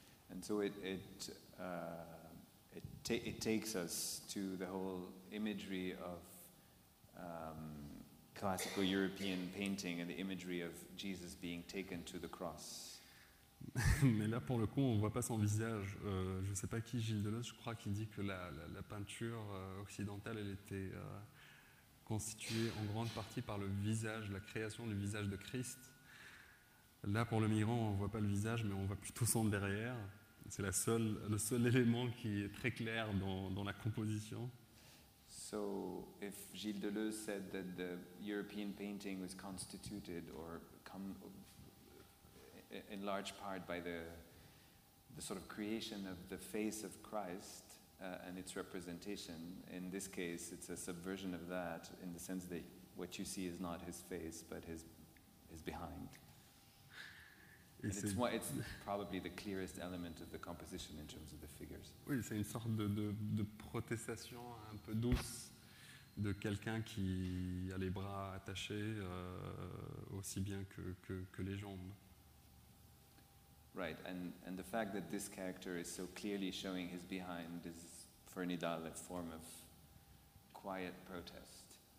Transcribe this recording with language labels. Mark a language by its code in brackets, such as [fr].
[en] And so it takes us to the whole imagery of classical European painting and the imagery of Jesus being taken to the cross. [fr] Mais là, pour le coup, on ne voit pas son visage. Je ne sais pas qui, Gilles Deleuze, je crois, qui dit que la peinture occidentale, elle était constituée en grande partie par le visage, la création du visage de Christ. Là, pour le migrant, on ne voit pas le visage, mais on voit plutôt son derrière. C'est le seul élément qui est très clair dans la composition. [en] So, if Gilles Deleuze said that the European painting was constituted or come in large part by the sort of creation of the face of Christ and its representation, in this case, it's a subversion of that in the sense that what you see is not his face but his behind. Et and it's probably the clearest element of the composition in terms of the figures. [fr] Oui, c'est une sorte de protestation un peu douce de quelqu'un qui a les bras attachés aussi bien que les jambes. [en] Right, and the fact that this character is so clearly showing his behind is for Nidal a form of quiet protest.